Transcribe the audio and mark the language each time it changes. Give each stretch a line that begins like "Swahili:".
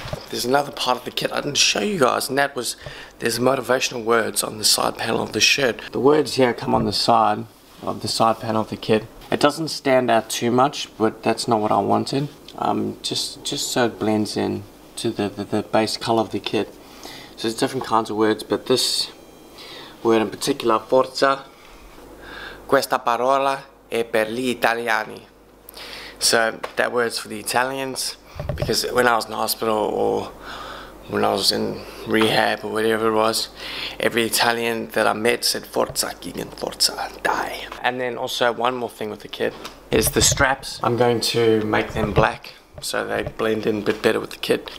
English: There's another part of the kit I didn't show you guys, and that was there's motivational words on the side panel of the shirt. The words here come on the side of the side panel of the kit. It doesn't stand out too much, but that's not what I wanted. Just so it blends in to the base color of the kit. So there's different kinds of words, but this word in particular, forza,
Italian: questa parola è per gli italiani.
English: So that word's for the Italians. Because when I was in the hospital or when I was in rehab or whatever it was, every Italian that I met said forza, Keagan, forza, die. And then also one more thing with the kit is the straps. I'm going to make them black so they blend in a bit better with the kit.